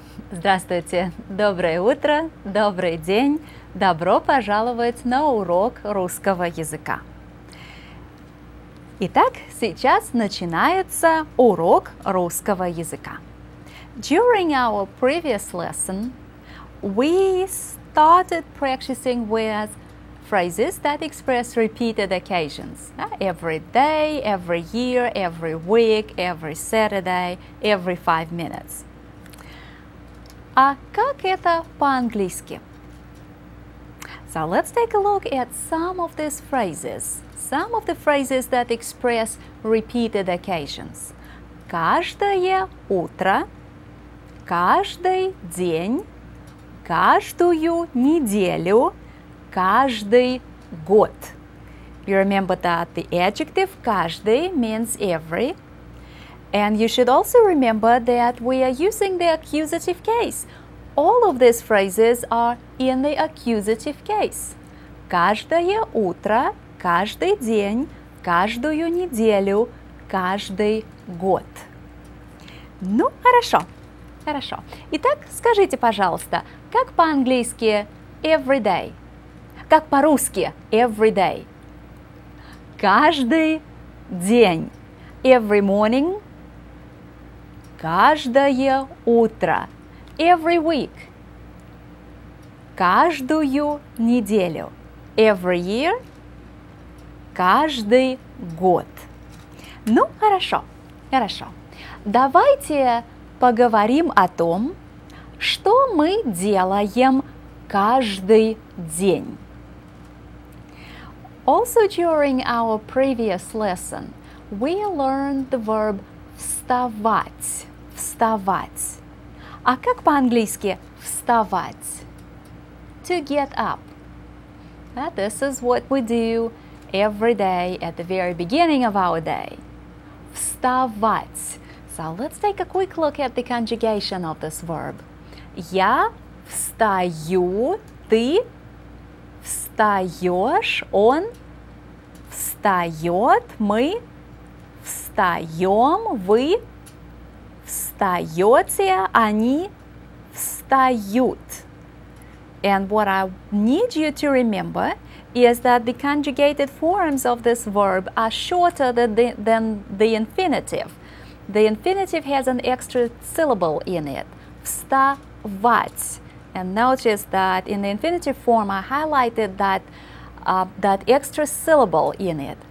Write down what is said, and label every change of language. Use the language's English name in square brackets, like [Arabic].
[Russian] Здравствуйте! Доброе утро! Добрый день! Добро пожаловать на урок русского языка! Итак, сейчас начинается урок русского языка. [English] During our previous lesson, we started practicing with phrases that express repeated occasions. Every day, every year, every week, every Saturday, every 5 minutes. [Russian] А как это по-английски? [English] So let's take a look at some of these phrases. Some of the phrases that express repeated occasions. [Russian] Каждое утро, каждый день, каждую неделю, каждый год. [English] You remember that the adjective каждый means every. And you should also remember that we are using the accusative case. All of these phrases are in the accusative case. [Russian] Каждое утро, каждый день, каждую неделю, каждый год. Ну, хорошо. Хорошо. Итак, скажите, пожалуйста, как по-английски [English] every day? [Russian] Как по-русски [English] every day? [Russian] Каждый день. [English] Every morning. [Russian] Каждое утро. [English] Every week. [Russian] Каждую неделю. [English] Every year. [Russian] Каждый год. Ну, хорошо. Хорошо. Давайте поговорим о том, что мы делаем каждый день. [English] Also during our previous lesson, we learned the verb вставать. [Russian] А как по-английски вставать? [English] To get up. This is what we do every day at the very beginning of our day. [Russian] Вставать. [English] So let's take a quick look at the conjugation of this verb. [Russian] Я встаю, ты встаешь, он встает, мы встаем, вы встаете, они встают. [English] And what I need you to remember is that the conjugated forms of this verb are shorter than the infinitive. The infinitive has an extra syllable in it. [Russian] Вставать. [English] And notice that in the infinitive form I highlighted that extra syllable in it.